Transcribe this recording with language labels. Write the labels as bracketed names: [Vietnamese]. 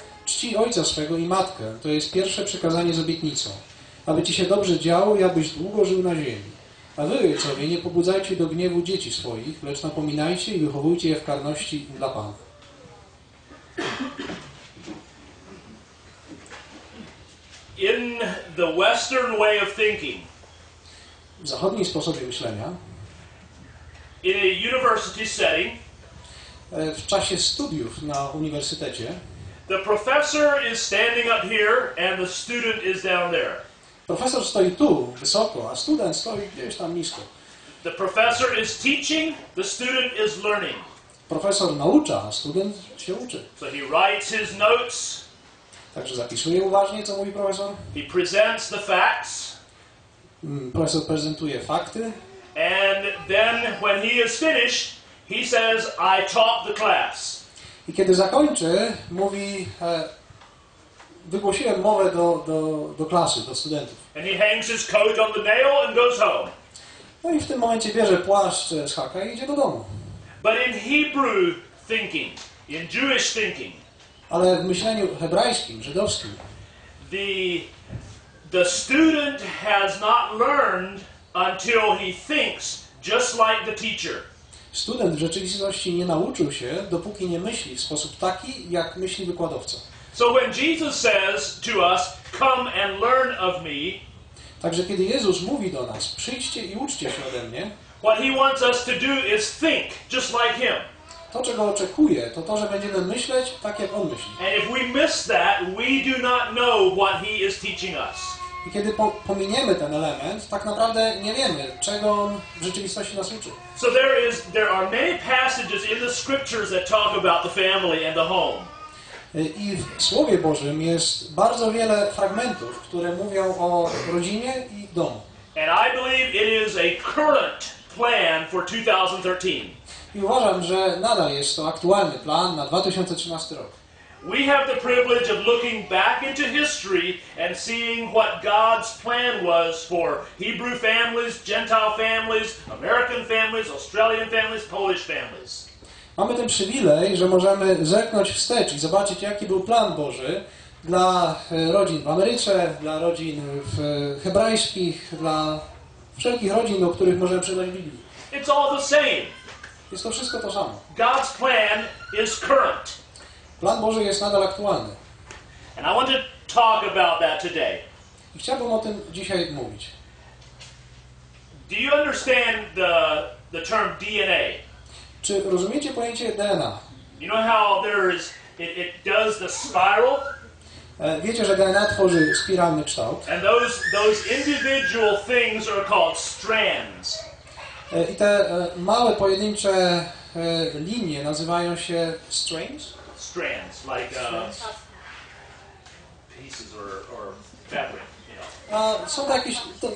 [Polish] Czci ojca swego i matkę, to jest pierwsze przykazanie z obietnicą, aby ci się dobrze działo i abyś długo żył na ziemi. A wy, ojcowie, nie pobudzajcie do gniewu dzieci swoich, lecz napominajcie i wychowujcie je w karności dla Pana. [English] In the Western way of thinking, [Polish] w zachodniej sposobie myślenia, [English] in a university setting, [Polish] w czasie studiów na uniwersytecie. [English] The professor is standing up here and the student is down there. [Polish] Profesor stoi tu wysoko, a student stoi gdzieś tam nisko. [English] The professor is teaching, the student is learning. [Polish] Profesor naucza, a student się uczy. [English] So he writes his notes. [Polish] Także zapisuje uważnie, co mówi profesor. [English] He presents the facts. [Polish] Profesor prezentuje fakty. [English] And then when he is finished, he says, I taught the class. [Polish] I kiedy zakończy, mówi, wygłosiłem mowę do klasy, do studentów. [English] And he hangs his coat on the nail and goes home. [Polish] No i w tym momencie bierze płaszcz z haka i idzie do domu. [English] But in Hebrew thinking, in Jewish thinking, [Polish] ale w myśleniu hebrajskim, żydowskim, [English] the student has not learned until he thinks just like the teacher. [Polish] Student w rzeczywistości nie nauczył się, dopóki nie myśli w sposób taki, jak myśli wykładowca. [English] So when Jesus says to us, come and learn of me, [Polish] także kiedy Jezus mówi do nas, przyjdźcie i uczcie się ode mnie, [English] what he wants us to do is think just like him. [Polish] To, czego oczekuje, to to, że będziemy myśleć tak, jak on myśli. [English] And if we miss that, we do not know what he is teaching us. [Polish] I kiedy pominiemy ten element, tak naprawdę nie wiemy, czego on w rzeczywistości nas uczy. [English] So there are many passages in the scriptures that talk about the family and the home. [Polish] I w Słowie Bożym jest bardzo wiele fragmentów, które mówią o rodzinie i domu. [English] And I believe it is a current plan for 2013. [Polish] I uważam, że nadal jest to aktualny plan na 2013 rok. [English] We have the privilege of looking back into history and seeing what God's plan was for Hebrew families, Gentile families, American families, Australian families, Polish families. [Polish] Mamy ten przywilej, że możemy zerknąć wstecz i zobaczyć, jaki był plan Boży dla rodzin w Ameryce, dla rodzin w hebrajskich, dla wszelkich rodzin, do których możemy przydać Biblię. [English] It's all the same. [Polish] Jest to wszystko to samo. [English] God's plan is current. [Polish] Plan Boży jest nadal aktualny. [English] And I want to talk about that today. [Polish] I chciałbym o tym dzisiaj mówić. [English] Do you understand the term DNA? [Polish] Czy rozumiecie pojęcie DNA? [English] You know how it does the spiral? [Polish] Wiecie, że DNA tworzy spiralny kształt. [English] And those individual things are called strands. [Polish] I te małe, pojedyncze linie nazywają się strains? [English] Strands, like pieces or fabric, you know.